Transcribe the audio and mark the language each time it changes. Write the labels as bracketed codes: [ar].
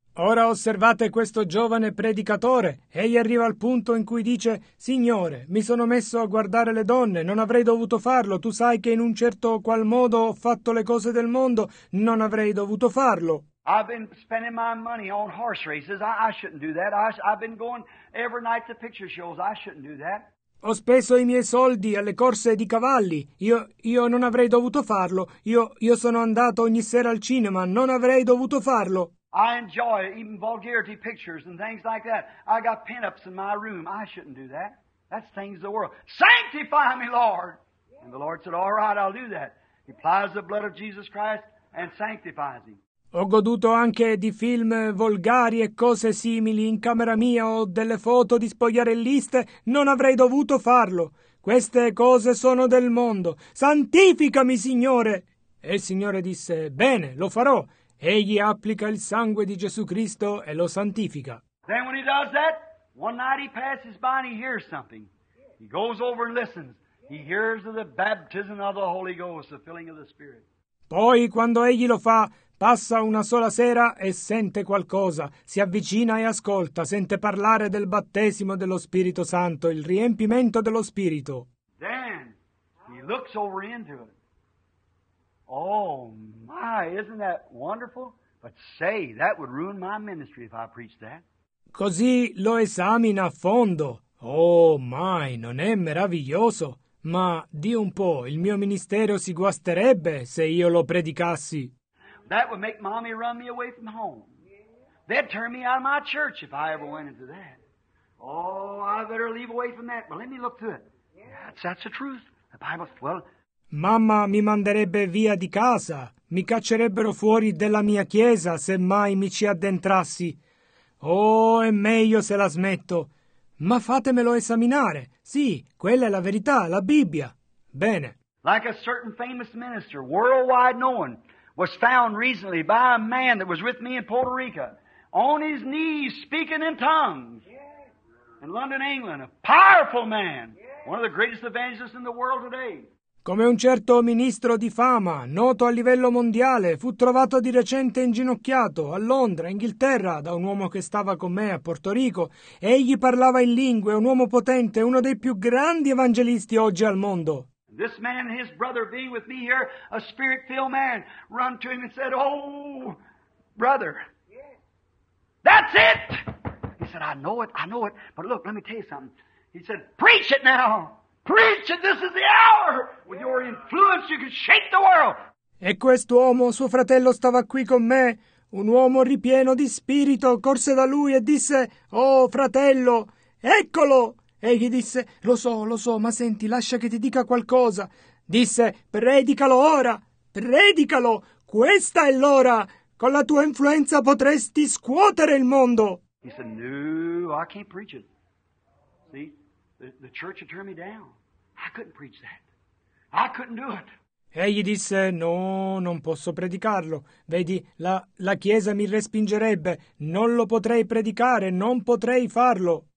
[it] Ora osservate questo giovane predicatore. Egli arriva al punto in cui dice, Signore, mi sono messo a guardare le donne. Non avrei dovuto farlo. Tu sai che in un certo qual modo ho fatto le cose del mondo. Non avrei dovuto farlo. [en] I've been spending my money on horse races. I shouldn't do that. I've been going every night to picture shows. I shouldn't do that. [it] Ho speso i miei soldi alle corse di cavalli. Io non avrei dovuto farlo. Io sono andato ogni sera al cinema. Non avrei dovuto farlo. [en] I enjoy even vulgarity pictures and things like that. I got pinups in my room. I shouldn't do that. That's things of the world. Sanctify me, Lord. And the Lord said, all right, I'll do that. He applies the blood of Jesus Christ and sanctifies him. [it] Ho goduto anche di film volgari e cose simili in camera mia o delle foto di spogliarelliste. Non avrei dovuto farlo. Queste cose sono del mondo. Santificami, Signore! E il Signore disse, bene, lo farò. Egli applica il sangue di Gesù Cristo e lo santifica. [en] Then when he does that, one night he passes by and he hears something. He goes over and listens. He hears of the baptism of the Holy Ghost, the filling of the Spirit. [it] Poi, quando egli lo fa, passa una sola sera e sente qualcosa, si avvicina e ascolta, sente parlare del battesimo dello Spirito Santo, il riempimento dello Spirito. [en] Then he looks over into it. Oh my, isn't that wonderful? But say, that would ruin my ministry if I preached that. [it] Così lo esamina a fondo. Oh my, non è meraviglioso? Ma di un po', il mio ministero si guasterebbe se io lo predicassi. [en] That would make mommy run me away from home. They'd turn me out of my church if I ever went into that. Oh, I better leave away from that. But let me look to it. That's the truth. The Bible, well. [it] Mamma mi manderebbe via di casa. Mi caccerebbero fuori della mia chiesa se mai mi ci addentrassi. Oh, è meglio se la smetto. Ma fatemelo esaminare. Sì, quella è la verità, la Bibbia. Bene. [en] Like a certain famous minister, worldwide known, was found recently by a man that was with me in Puerto Rico, on his knees, speaking in tongues, in London, England, a powerful man, one of the greatest evangelists in the world today. [it] Come un certo ministro di fama, noto a livello mondiale, fu trovato di recente inginocchiato a Londra, Inghilterra, da un uomo che stava con me a Porto Rico. Egli parlava in lingue, un uomo potente, uno dei più grandi evangelisti oggi al mondo. [en] This man and his brother being with me here, a spirit-filled man, run to him and said, oh, brother, that's it! He said, I know it, but look, let me tell you something. He said, preach it now! Preach it! This is the hour! With your influence you can shake the world! [it] E quest'uomo, suo fratello, stava qui con me. Un uomo ripieno di spirito corse da lui e disse, oh, fratello, eccolo! Egli disse, lo so, ma senti, lascia che ti dica qualcosa. Disse, predicalo ora, predicalo, questa è l'ora. Con la tua influenza potresti scuotere il mondo. [en] He said, no, I can't preach it. See, the church had turned me down. I couldn't preach that. I couldn't do it. [it] Egli disse, no, non posso predicarlo. Vedi, la Chiesa mi respingerebbe. Non lo potrei predicare, non potrei farlo.